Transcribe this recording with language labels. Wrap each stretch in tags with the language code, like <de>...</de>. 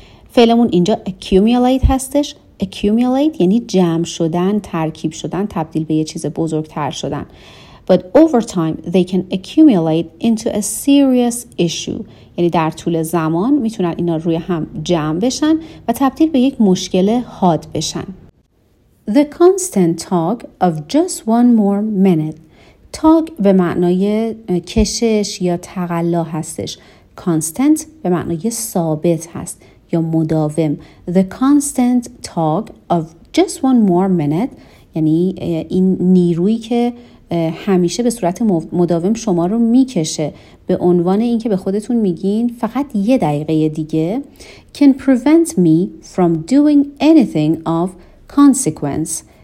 <fa>فعلمون اینجا accumulate هستش. accumulate یعنی جمع شدن، ترکیب شدن، تبدیل به یه چیز بزرگتر شدن.</fa> <en>But over time they can accumulate into a serious issue،</en> <fa>یعنی در طول زمان میتونن اینا روی هم جمع بشن و تبدیل به یک مشکل حاد بشن.</fa> <en>The constant talk of just one more minute.</en> <fa>talk به معنای کشش یا تقلا هستش. constant به معنای ثابت هست یا مداوم.</fa> <en>The constant talk of just one more minute</en> <fa>یعنی این نیرویی که همیشه به صورت مداوم شما رو میکشه، به عنوان اینکه به خودتون میگین فقط یه دقیقه دیگه،</fa> <en>can prevent me from doing anything of consequence.</en>